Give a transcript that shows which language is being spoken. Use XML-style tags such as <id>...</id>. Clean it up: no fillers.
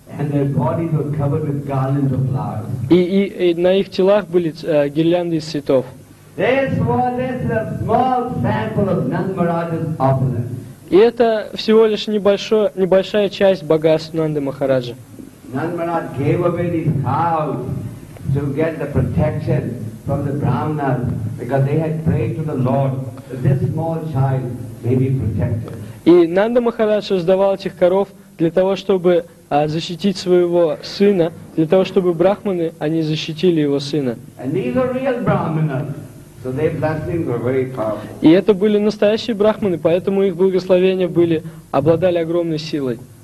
<en>And their bodies were covered with garlands of flowers.</en> <ru>И на их телах были гирлянды из цветов.</ru> <en>This is a small sample of Nanda Maharaj's opulence.</en> <ru>И это всего лишь небольшая часть богатства Нанды Махараджа.</ru> <en>Nanda Maharaj gave away these cows to get the protection from the brahmanas because they had prayed to the Lord that this small child may be protected.</en> <ru>И Нанда Махарадж раздавал этих коров для того, чтобы защитить своего сына, для того, чтобы брахманы они защитили его сына.</ru> <en>And these are real brahmanas. So their blessings were very powerful.</en> <ru>И это были настоящие брахманы, поэтому их благословения обладали огромной силой.</ru>